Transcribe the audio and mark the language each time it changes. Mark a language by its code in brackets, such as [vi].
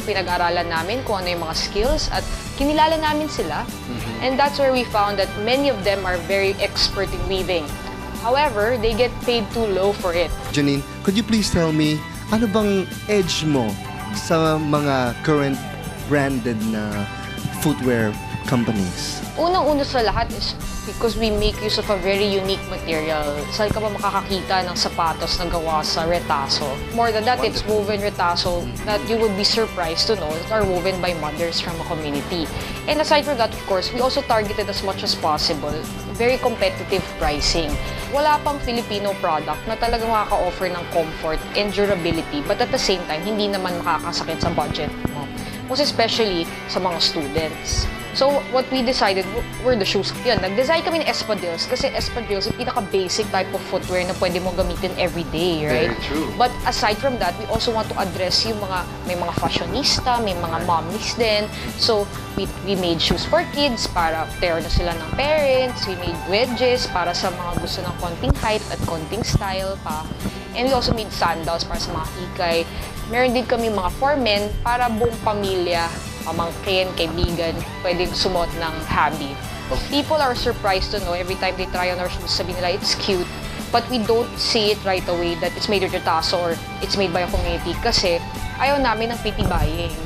[tl] Pinag-aralan namin kung ano yung mga skills at kinilala namin sila. Mm-hmm. [en] And that's where we found that many of them are very expert in weaving. However, they get paid too low for it. Janine, could you please tell me, [tl] ano bang edge mo sa mga current branded na footwear companies? [en] Unang-una sa lahat is because we make use of a very unique material. [tl] Saan ka ba makakakita ng sapatos na gawa sa retaso? [en] More than that, wonderful. It's woven retaso that you would be surprised to know that are woven by mothers from a community. And aside from that, of course, we also targeted as much as possible very competitive pricing. [tl] Wala pang Filipino product na talagang makaka-offer ng [en] comfort and durability, but at the same time, [tl] hindi naman makakasakit sa budget mo. [en] Most especially sa mga students. So what we decided were the shoes. [tl] Yun, nag-design kami ng espadrilles kasi espadrilles yung pinaka-basic [en] type of footwear na pwede mo gamitin everyday, right? Very true. But aside from that, we also want to address [tl] yung mga, may mga fashionista, may mga mommies din. [en] So we made shoes for kids [tl] para pair na sila ng parents. [en] We made wedges [tl] para sa mga gusto ng konting height at konting style pa. [en] And we also made sandals [tl] para sa mga ikay. Meron din kami mga for men para buong pamilya. Kamangkin, kaibigan, pwedeng sumot ng habi. [en] People are surprised to know every time they try on our shoes, [tl] sabi nila, [en] it's cute. But we don't see it right away that it's made with your taso or it's made by a community [tl] kasi ayaw namin ng pity buying.